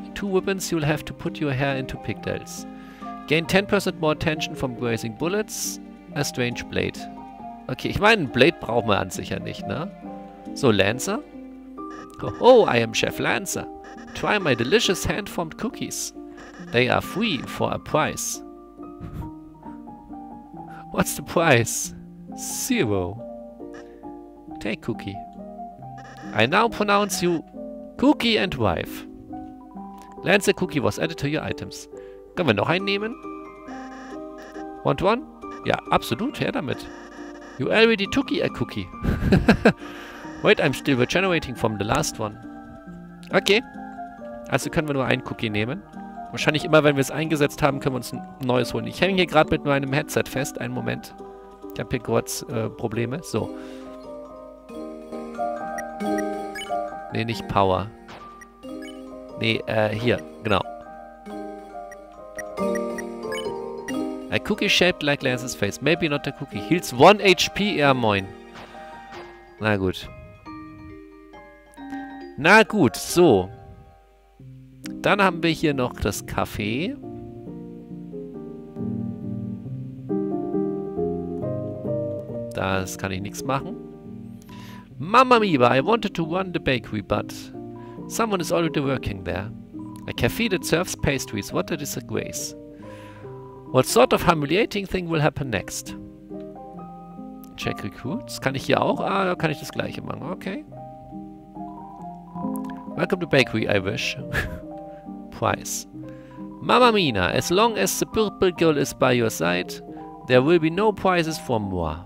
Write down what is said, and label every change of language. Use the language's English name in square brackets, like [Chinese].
[English] Two ribbons, you'll have to put your hair into pigtails. Gain 10% more tension from grazing bullets. A strange blade. [German] Okay, ich meine, ein Blade braucht man an sich ja nicht, ne? [English] So, Lancer? Oh, I am Chef Lancer. Try my delicious hand-formed cookies. They are free for a price. What's the price? Zero. Take cookie. I now pronounce you Cookie and Wife. Lancer Cookie was added to your items. [German] Können wir noch einen nehmen? [English] Want one? [German] Ja, absolut, her damit. [English] You already took a cookie. Wait, I'm still regenerating from the last one. [German] Okay. Also können wir nur einen Cookie nehmen. Wahrscheinlich immer, wenn wir es eingesetzt haben, können wir uns ein neues holen. Ich hänge hier gerade mit meinem Headset fest. Einen Moment. Ich habe hier kurz Probleme. So. Nee, nicht Power. Nee, hier. Genau. [English] A cookie shaped like Lance's face. Maybe not a cookie. Heals 1 HP. [German] Ja, moin. Na gut. Na gut, so. Dann haben wir hier noch das Café. Das kann ich nichts machen. [English] Mama Miba, I wanted to run the bakery, but someone is already working there. A café that serves pastries. What a disgrace. What sort of humiliating thing will happen next? Check Recruits. [German] Kann ich hier auch? Ah, da kann ich das gleiche machen. Okay. [English] Welcome to Bakery, I wish. surprise. Mamma Mina, as long as the purple girl is by your side, there will be no prizes for moi.